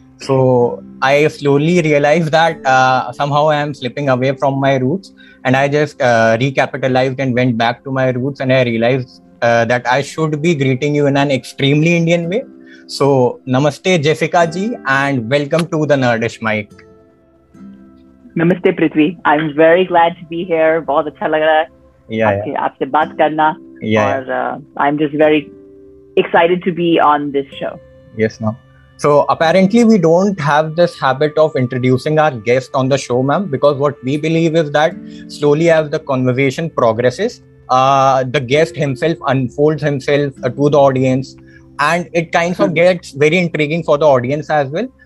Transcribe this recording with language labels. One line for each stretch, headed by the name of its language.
English: So I slowly realized that somehow I am slipping away from my roots, and I just recapitalized and went back to my roots, and I realized that I should be greeting you in an extremely Indian way. So namaste Jessica ji, and welcome to the Nerdish Mic. Namaste Prithvi, I'm very glad to be here.
Hindi: बहुत अच्छा लग रहा hai aapke आपसे बात करना.
English: Yeah. I'm just very excited to be on this show. Yes, ma'am. So apparently we don't have this habit of introducing our guest on the show, ma'am, because what we believe is that slowly as the conversation progresses, the guest himself unfolds himself to the audience, and it kind of gets very intriguing for the audience as well.